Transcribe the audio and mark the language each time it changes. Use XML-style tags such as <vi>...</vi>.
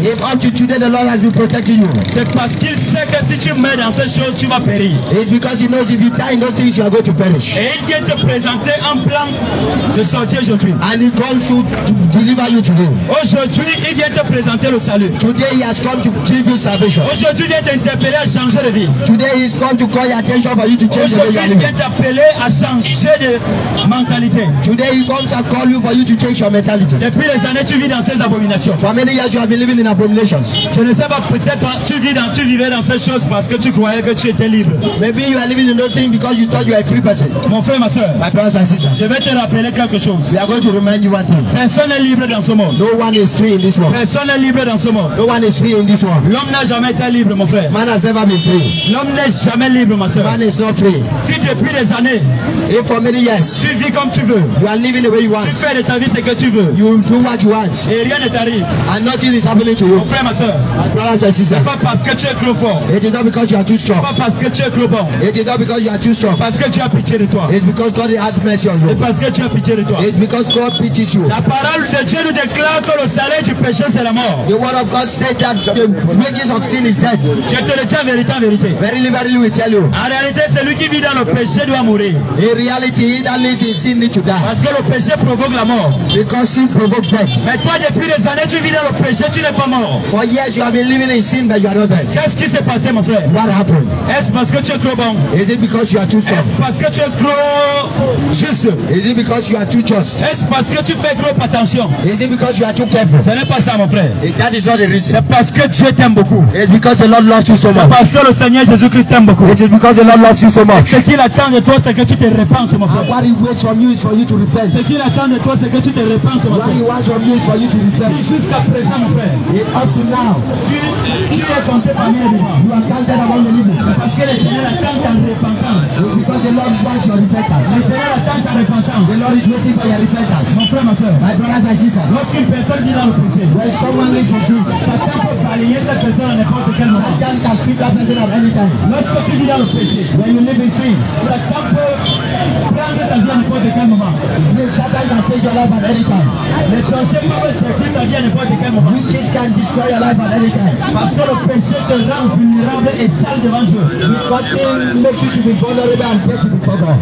<en>If up to today the Lord has been protecting you.</en> <fr>C'est parce qu'il sait que si tu meurs dans ces choses, tu vas périr.</fr> <en>It's because he knows if you die in those things, you are going to perish.</en> <fr>Et il vient te présenter un plan de sortir aujourd'hui.</fr> <en>And he comes to deliver you today.</en> <fr>Aujourd'hui, il vient te présenter le salut.</fr> <en>Today he has come to give you salvation.</en> <fr>Aujourd'hui, il vient t'interpeller à changer de vie.</fr> <en>Today he's come to call your attention for you to change your mentality.</en> <fr>Aujourd'hui, il vient t'appeler à changer de mentalité.</fr> <en>Today he comes to call you for you to change your mentality.</en> <fr>Depuis les années, tu vis dans ces abominations.</fr> <en>For many years you have been living in abominations.</en> <fr>Je ne sais pas, peut-être tu vivais dans ces choses parce que tu croyais que tu étais libre.</fr> <en>Maybe you are living in those things because you thought you were a free person.</en> <fr>Mon frère, ma soeur,</fr> <en>my brothers, my sisters,</en> <fr>je vais te rappeler quelque chose.</fr> <en>We are going to remind you one thing.</en> <fr>Personne n'est libre dans ce monde.</fr> <en>No one is free in this world.</en> <fr>Personne n'est libre dans ce monde.</fr> <en>No one is free in this world.</en> <fr>L'homme n'a jamais été libre, mon frère.</fr> <en>Man has never been free.</en> <fr>L'homme n'est jamais libre, ma soeur.</fr> <en>Man is not free.</en> <fr>Si depuis des années,</fr> <en>if for many years,</en> <fr>tu vis comme tu veux.</fr> <en>You are living the way you want.</en> <fr>Tu fais de ta vie ce que tu veux.</fr> <en>You do what you want.</en> <fr>Et rien ne t'arrive.</fr> <en>And nothing is happening to you.</en> <fr>Mon frère, ma soeur,</fr> <en>my brothers and sisters,</en> <fr>c'est pas parce que tu es trop fort.</fr> <en>It is not because you are too strong.</en> <fr>C'est pas parce que tu es trop bon.</fr> <en>It is not because you are too strong.</en> <fr>Parce que tu as pitié de toi.</fr> <en>It's because God has mercy on you.</en> <fr>C'est parce que tu as pitié de toi.</fr> <en>It's because God pities you.</en> <fr>La parole de Dieu nous déclare que le salaire du péché c'est la mort.</fr> <en>The word of God states that the wages of sin is death.</en> <fr>Je te le dis en vérité, en vérité.</fr> <en>Verily, verily, we tell you.</en> <fr>En réalité, celui qui vit dans le péché doit mourir.</fr> <en>In reality, he that that lives in sin need to die.</en> <fr>Parce que le péché provoque la mort.</fr> <en>Because sin provokes death.</en> <fr>Mais toi, depuis des années, tu vis dans le péché, tu n'es pas mort.</fr> <en>For years you have been living in sin, but you are not dead.</en> <fr>Qu'est-ce qui s'est passé, mon frère?</fr> <en>What happened?</en> <fr>Est-ce parce que tu es trop bon?</fr> <en>Is it because you are too strong?</en> <fr>Est-ce parce que tu es trop juste?</fr> <en>Is it because you are too just?</en> <fr>Est-ce parce que tu fais trop attention?</fr> <en>Is it because you are too careful?</en> <fr>Ce n'est pas ça, mon frère.</fr> <en>That is not the reason.</en> <fr>C'est parce que Dieu t'aime beaucoup.</fr> <en>It's because the Lord loves you so much.</en> <fr>C'est parce que le Seigneur Jésus-Christ t'aime beaucoup.</fr> <en>It is because the Lord loves you so much.</en> <fr>Ce qu'il attend de toi, c'est que tu te répandes, mon frère.</fr> <en>What he waits from you is for you to repent.</en> <fr>Ce qu'il attend de toi, c'est que tu te répandes, mon frère.</fr> <en>What he wants from you is for you to repent.</en> <fr>Jusqu'à présent, mon frère. Et</fr> <en>up to now.</en> <fr>Tu es compté parmi les vivants.</fr> <en>You are counted among the living.</en> <fr>Parce que le Seigneur attend ta repentance.</fr> <en>Because the Lord wants your repentance.</en> <fr>Le Seigneur attend ta repentance.</fr> <en>The Lord is waiting for your repentance.</en> <fr>Mon frère, ma soeur.</fr> <en>My brothers and sisters.</en> <fr>Lorsqu'une personne vit dans le péché,</fr> <en>when someone lives in sin,</en> <fr>Satan peut balayer cette personne à n'importe quel moment.</fr> <en>Satan can sweep that person at any time.</en> <fr>Lorsque tu vis dans le péché,</fr> <en>when you live in sin,</en> <fr>Satan peut prendre ta vie à n'importe quel moment.</fr> <en>Satan can take your life at any time.</en> <fr>Les sorciers peuvent détruire ta vie à n'importe quel moment.</fr> <en>Witches can destroy your life at any time.</en> <fr>Parce que le péché te rend vulnérable et sale devant Dieu.</fr> <en>Because sin makes you to be vulnerable and set you before God.</en>